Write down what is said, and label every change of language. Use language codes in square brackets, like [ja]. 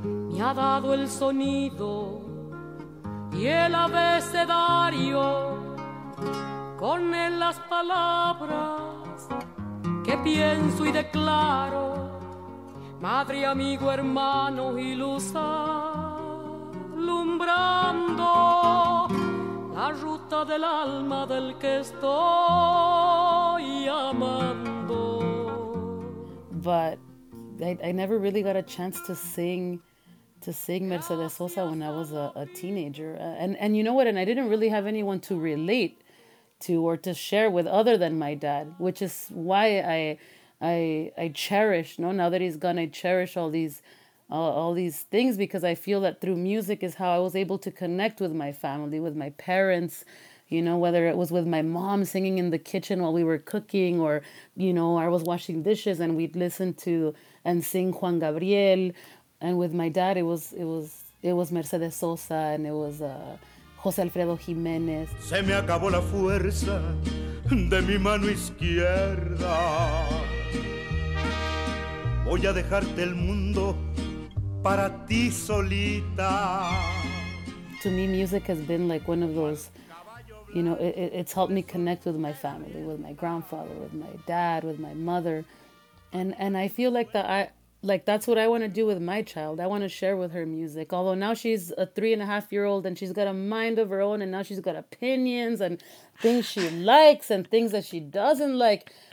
[es] Me ha dado el sonido y el abecedario con él las palabras que pienso y declaro, madre, amigo, hermano y luz alumbrando la ruta del alma del que estoy amando. [en] But I never really got a chance to sing Mercedes Sosa when I was a teenager. And you know what? And I didn't really have anyone to relate to or to share with other than my dad, which is why I cherish, you know, now that he's gone, I cherish all these things because I feel that through music is how I was able to connect with my family, with my parents, you know, whether it was with my mom singing in the kitchen while we were cooking or, you know, I was washing dishes and we'd listen to and sing Juan Gabriel. And with my dad, it was Mercedes Sosa, and it was José Alfredo Jiménez. [es] Se me acabó la fuerza de mi mano izquierda. Voy a dejarte el mundo para ti solita. [en] To me, music has been like one of those, you know, it's helped me connect with my family, with my grandfather, with my dad, with my mother. And I feel like that Like, that's what I want to do with my child. I want to share with her music. Although now she's a 3.5-year-old and she's got a mind of her own and now she's got opinions and things she likes and things that she doesn't like.